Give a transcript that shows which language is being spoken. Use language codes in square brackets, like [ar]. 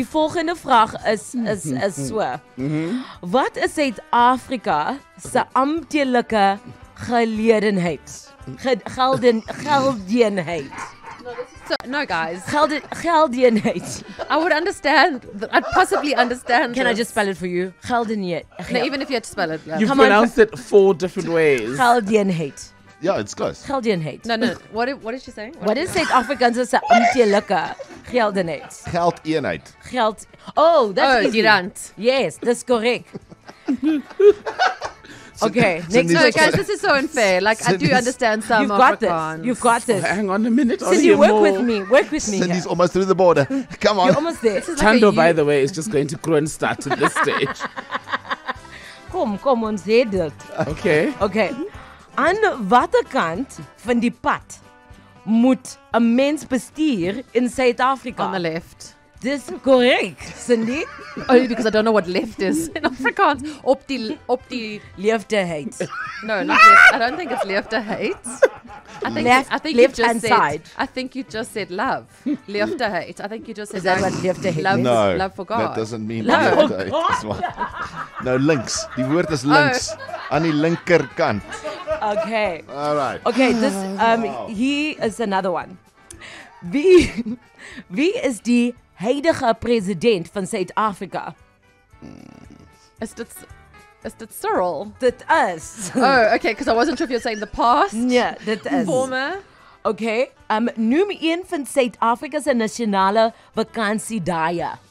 [af] Die volgende vraag is so. Wat is Suid-Afrika se amptelike geledenheid? Geldenheid. Geldenheid. [en] I would understand. I'd possibly understand. Can I just spell it for you? Geldenheid. No, even if you had to spell it. Yeah. You've pronounced it four different ways. [af] Geldenheid. [en] Yeah, it's close. [af] Geldenheid. [en] No. What is she saying? What is South Africans as a [af] amptelike geldenheid? Geldeenheid. [en] Geld. Oh, that's easy. [af] Die rand. [en] Yes, that's correct. Okay. Next. No, guys, this is so unfair. Like, I do understand some Afrikaans. You've got this. Hang on a minute. Cindy, work with me. Cindy's almost through the border. Come on. You're almost there. Thando, by the way, is just going to grow and start at this stage. Come on, say that. Okay. Okay. [af] Aan watter kant van die pad moet 'n mens bestuur in Suid-Afrika? [en] On the left. [af] Dis korrek, Cindy. [en] Only because I don't know what left is in Afrikaans. [af] Op die leefde heid. [en] No, not left. I don't think it's leefde heid. I think you just said love. Leefde heid. I think you just said love. Is that what leefde heid is? No. Love for God. That doesn't mean love for God. No, links. [af] Die woord is links. Aan die linkerkant. [en] Okay. All right. Okay, this here is another one. [af] Wie is die huidige president van Suid-Afrika? Is dit Cyril? Dit is. [en] Oh, okay, because I wasn't sure if you're saying the past. [af] Yeah, dit is. [en] Former. Okay. [af] Noem een van Suid-Afrika se nasionale vakansiedae.